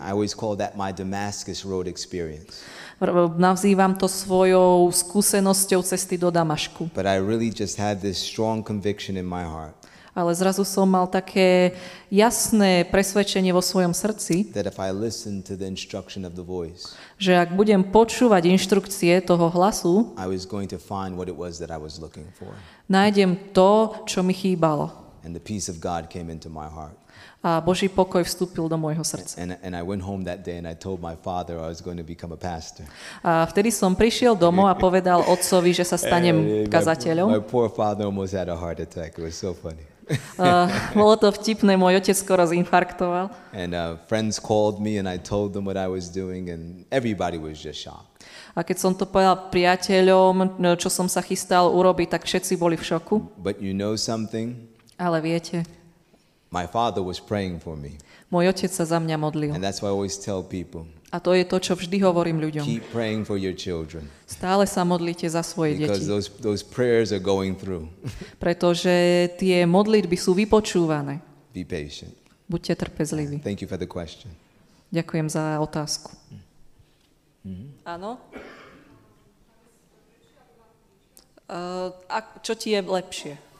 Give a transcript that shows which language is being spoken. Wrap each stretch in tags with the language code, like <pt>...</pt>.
<en>I always call that my Damascus Road experience.</en> <sk>Nazývam to svojou skúsenosťou cesty do Damašku.</sk> <en>But I really just had this strong conviction in my heart.</en> <sk>Ale zrazu som mal také jasné presvedčenie vo svojom srdci,</sk> <en>that if I listen to the instruction of the voice,</en> <sk>že ak budem počúvať inštrukcie toho hlasu,</sk> <en>I was going to find what it was that I was looking for.</en> <sk>Nájdem to, čo mi chýbalo.</sk> <en>And the peace of God came into my heart.</en> <sk>A Boží pokoj vstúpil do môjho srdca.</sk> <en>And I went home that day and I told my father I was going to become a pastor.</en> <sk>A vtedy som prišiel domov a povedal otcovi, že sa stanem kazateľom.</sk> <en>My poor father almost had a heart attack. It was so funny.</en> <sk>Bolo to vtipné, môj otec skoro zinfarktoval.</sk> <en>And friends called me and I told them what I was doing and everybody was just shocked.</en> <sk>A keď som to povedal priateľom, čo som sa chystal urobiť, tak všetci boli v šoku.</sk> <en>But you know something?</en> <sk>Ale viete?</sk> <en>My father was praying for me.</en> <sk>Môj otec sa za mňa modlil.</sk> <en>And that's why I always tell people.</en> <sk>A to je to, čo vždy hovorím ľuďom.</sk> <en>Keep praying for your children.</en> <sk>Stále sa modlite za svoje deti.</sk> <en>Because those prayers are going through.</en> <sk>Pretože tie modlitby sú vypočúvané.</sk> <en>Be patient.</en> <sk>Buďte trpezliví.</sk> <en>Thank you for the question.</en> <sk>Ďakujem za otázku. Mm-hmm. Áno? A čo ti je lepšie?</sk>